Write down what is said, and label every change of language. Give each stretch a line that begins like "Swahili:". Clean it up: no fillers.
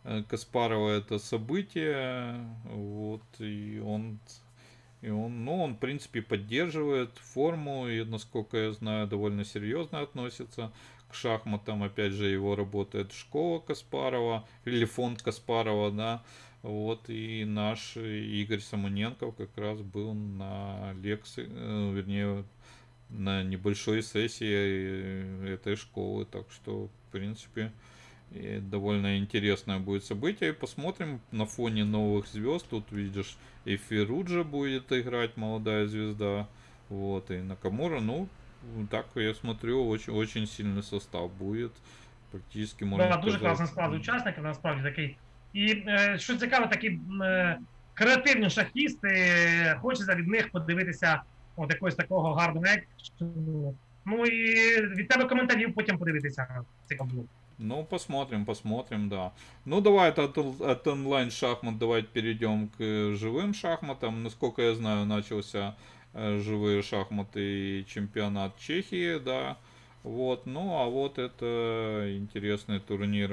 Russian: Каспарова это событие, вот, и он, в принципе, поддерживает форму, и, насколько я знаю, довольно серьезно относится к шахматам, опять же, его работает школа Каспарова, или фонд Каспарова, да, вот, и наш Игорь Самоненков как раз был на лекции, вернее, на небольшой сессии этой школы, так что, в принципе... И довольно интересное будет событие. Посмотрим на фоне новых звезд. Тут видишь, и Фируджа будет играть, молодая звезда. Вот, и Накамура. Ну, так я смотрю, очень, очень сильный состав будет. Практически можно сказать.
Ukrainian: Да, дуже класний склад учасників, насправді такий. І що цікаво, такі креативні шахісти. Хочеться від них подивитися от якогось такого гарного екшену. Ну і від тебе коментарів потім подивитися. Цікаво було.
Russian: Ну, посмотрим, да. Ну, давай от онлайн-шахмат давайте перейдем к живым шахматам. Насколько я знаю, начался живые шахматы и чемпионат Чехии, да. Вот, ну, а вот это интересный турнир.